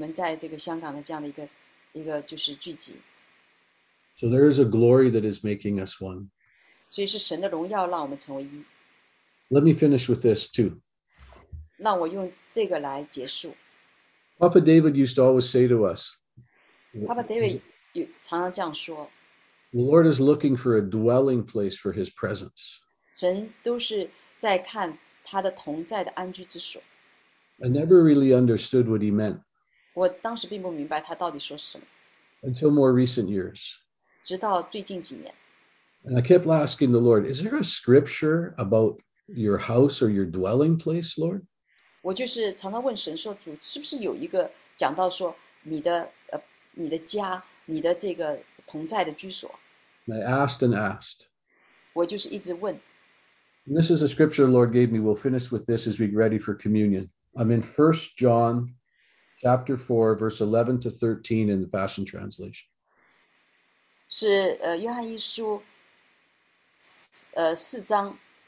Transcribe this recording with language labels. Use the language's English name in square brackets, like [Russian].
[Chinese] Joanna,你也去到不同的这个国家能够带领这个敬拜，你也看，就是因为这个我们在这个香港的这样的一个就是聚集。 [English] So there is a glory that is making us one. [Chinese] 所以是神的荣耀让我们成为一。 [English] Let me finish with this too. [Chinese] 让我用这个来结束。 [English] Papa David used to always say to us, [Chinese] Papa David 常常这样说, [English] The Lord is looking for a dwelling place for his presence. [Chinese] 神都是在看他的同在的安居之所。 [English] I never really understood what he meant. [Chinese] 我当时并不明白他到底说什么。 [English] Until more recent years. [Chinese] 直到最近几年。 [English] And I kept asking the Lord, is there a scripture about your house or your dwelling place, Lord? [Chinese] 我就是常常问神说，主，是不是有一个讲到说你的你的家，你的这个同在的居所。 [English] I asked and asked. [Chinese] 我就是一直问。 [English] And this is a scripture the Lord gave me. We'll finish with this as we get ready for communion. I'm in 1 John chapter 4, verse 11 to 13 in the Passion Translation. [Chinese] 是约翰一书四章。